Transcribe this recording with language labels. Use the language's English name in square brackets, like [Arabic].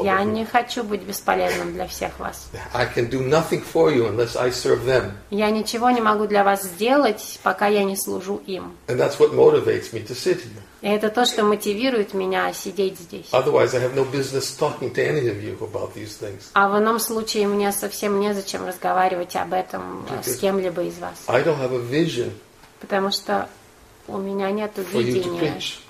[English] of you. [Russian] Я не хочу быть бесполезным для всех вас. [English] I can do nothing for you unless I serve them. [Russian] Я ничего не могу для вас сделать, пока я не служу им. [English] And that's what motivates me to sit here. [Russian] И это то, что мотивирует меня сидеть здесь. [English] Otherwise, I have no business talking to any of you about these things. [Russian] А в ином случае мне совсем незачем разговаривать об этом с кем-либо из вас. [English] I don't have a vision. [Russian] Потому что у меня нету видения.